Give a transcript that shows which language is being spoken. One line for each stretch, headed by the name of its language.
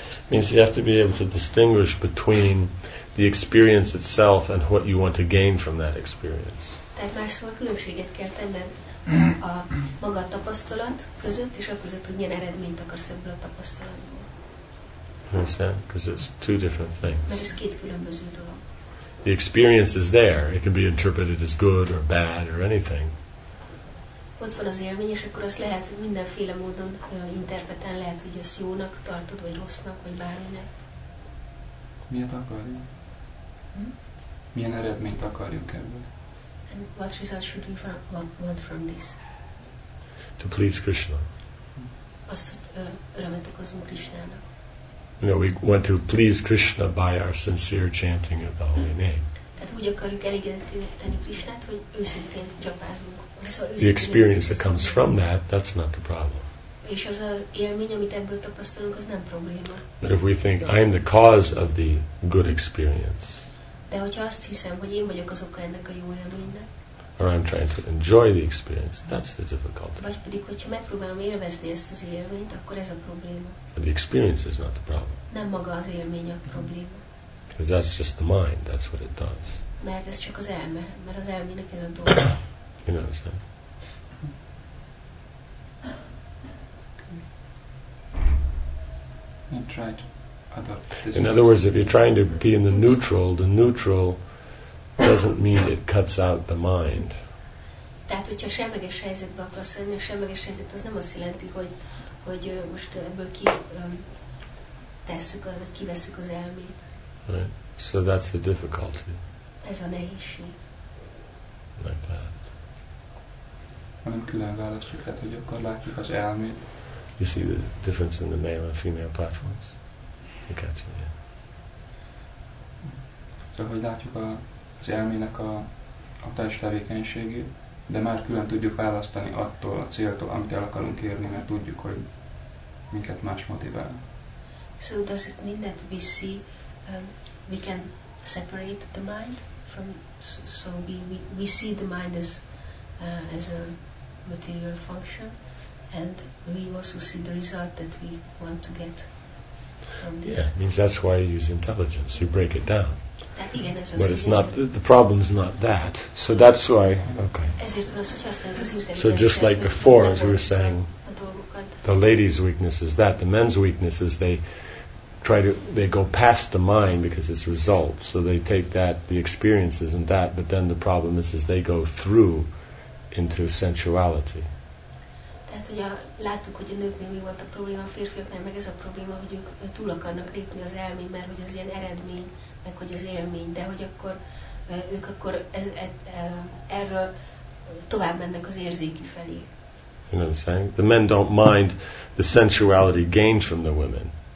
English: Means you have to be able to distinguish between the experience itself and what you want to gain from that experience.
Hungarian: Tehát másszor különbséget kell tenned a maga a tapasztalat között, és a között, hogy milyen eredményt akarsz ebből a tapasztalatból.
English: Understand? Because it's two different things.
Hungarian: Mert ez két különböző dolog.
English: The experience is there. It can be interpreted as good or bad or anything.
Hungarian: Ott van az élmény, és akkor azt lehet mindenféle módon interpretálni, lehet, hogy ezt jónak tartod, vagy rossznak, vagy bárminek. Miért akarjuk? Milyen eredményt akarjuk ebből?
English: And what result should we want from this? To please Krishna.
Hungarian: Azt, hogy örömet okozunk Krishnának.
English: You know, we want to please Krishna by our sincere chanting of the holy name.
Hungarian: Tehát úgy akarjuk elégedetteni Krishnát, hogy őszintén gyapázunk.
English: The experience that comes from that's not the problem.
Hungarian: És az a élmény, amit ebből tapasztalunk, az nem probléma.
English: But if we think I'm the cause of the good experience.
Hungarian: De hogyha azt hiszem, hogy én vagyok az oka ennek a jó élménynek.
English: Or I'm trying to enjoy the experience. That's the difficulty.
Hungarian: Vagy pedig, hogyha megpróbálom élvezni ezt az élményt, akkor ez a probléma.
English: But the experience is not the problem.
Hungarian: Nem maga az élmény a probléma.
English: Because that's just the mind. That's what it does.
Hungarian: Mert ez csak az elme. Mert az elmének ez a dolga.
English: You understand? and try to adopt this. In other words, if you're trying to be in the neutral doesn't mean it cuts out the mind.
Hungarian: Tehát, hogyha semleges helyzetbe akarsz lenni, a semleges helyzet az nem azt jelenti, hogy most ebből ki tesszük, vagy kiveszük az elmét.
English: Right. So that's the difficulty.
Hungarian: Ez a nehézség.
English: Like that.
Hungarian: Nem külön választjuk, tehát, hogy akkor látjuk az elmét.
English: You see the difference in the male and female platforms? You catch it, yeah.
Hungarian: Szóval, hogy látjuk az elmének a test tevékenységét, de már külön tudjuk választani attól a céltól, amit el akarunk érni, mert tudjuk, hogy minket más motivál.
English: So does it mean that we see we can separate the mind from so we see the mind as a material function, and we also see the result that we want to get from this? Yeah, it means that's why you use intelligence. You break it down.
Hungarian: Igen,
English: but it's not, the problem is not that. So that's why, okay. So just like before, as we were saying, the lady's weakness is that. The men's weakness is they go past the mind because it's result. So they take that, the experiences and that, but then the problem is they go through into sensuality.
Hungarian: Tehát ugye láttuk, hogy a nőknél mi volt a probléma, a férfiaknál meg ez a probléma, hogy ők túl akarnak lépni az elmény, mert hogy az ilyen eredmény, meg hogy az élmény, de hogy akkor ők akkor erről tovább mennek az érzéki felé.
English: You know what I'm saying? The men don't mind the sensuality gained from the women.